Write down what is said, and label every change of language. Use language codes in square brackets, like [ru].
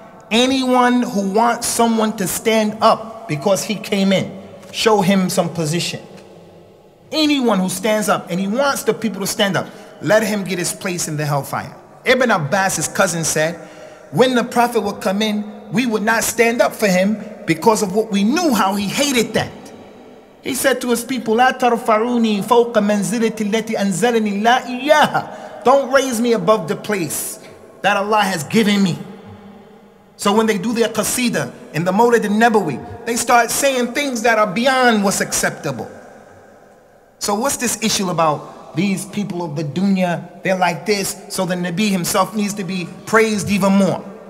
[en] Anyone who wants someone to stand up because he came in, show him some position. Anyone who stands up and he wants the people to stand up, let him get his place in the hellfire. Ibn Abbas's cousin said, when the Prophet would come in, we would not stand up for him because of what we knew, how he hated that. He said to his people, [ar] "لا ترفعوني فوق منزلة التي أنزلني لا إياها." [en] Don't raise me above the place that Allah has given me. So when they do their qasida in the Mawlid al-Nabawi, they start saying things that are beyond what's acceptable. So what's this issue about these people of the dunya? They're like this, so the Nabi himself needs to be praised even more.